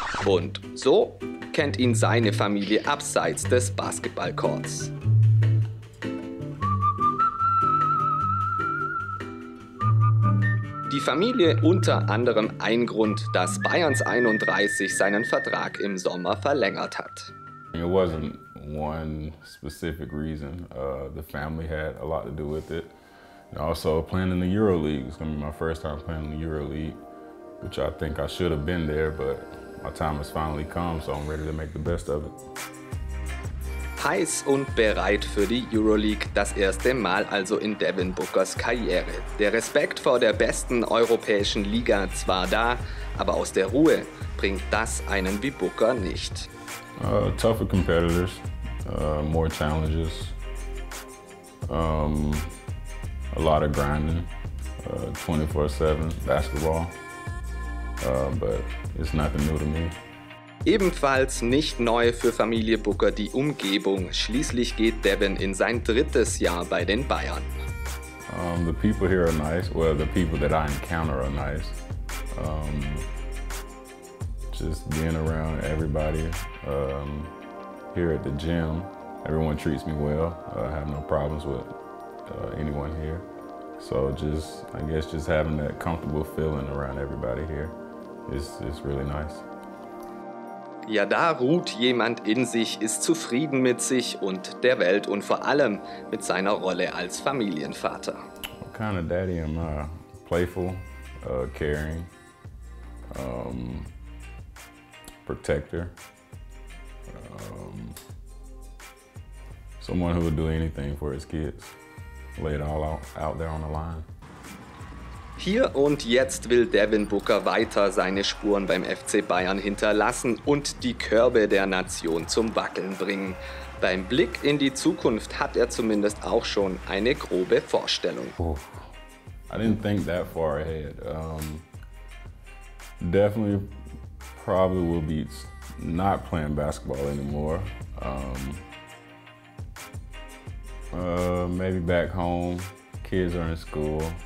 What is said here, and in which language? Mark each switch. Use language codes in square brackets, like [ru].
[de] Und so kennt ihn seine Familie abseits des Basketballcourts. Die Familie unter anderem ein Grund, dass Bayerns 31 seinen Vertrag im Sommer verlängert hat. [en] It wasn't one specific reason. The family had a lot to do with it. And also playing in the Euroleague. It's gonna be my first time playing in the Euroleague, which I think I should have been there, but my time has finally come, so I'm ready to make the best of it. [de] Heiß und bereit für die Euroleague, das erste Mal also in Devin Bookers Karriere. Der Respekt vor der besten europäischen Liga zwar da, aber aus der Ruhe bringt das einen wie Booker nicht. [en] Tougher competitors, more challenges, a lot of grinding, 24/7 basketball, but it's nothing new to me. [de] Ebenfalls nicht neu für Familie Booker die Umgebung. Schließlich geht Devin in sein drittes Jahr bei den Bayern. [en] The people here are nice. Well, the people that I encounter are nice. Just being around everybody here at the gym, everyone treats me well. I have no problems with anyone here. So just, I guess, just having that comfortable feeling around everybody here is really nice. [de] Ja, da ruht jemand in sich, ist zufrieden mit sich und der Welt und vor allem mit seiner Rolle als Familienvater. [en] What kind of daddy am I? Playful, caring, protector, someone who would do anything for his kids, lay it all out there on the line. [de] Hier und jetzt will Devin Booker weiter seine Spuren beim FC Bayern hinterlassen und die Körbe der Nation zum Wackeln bringen. Beim Blick in die Zukunft hat er zumindest auch schon eine grobe Vorstellung. [en] Oh, I didn't think that far ahead. Definitely probably will be not playing basketball anymore. Maybe back home, kids are in school.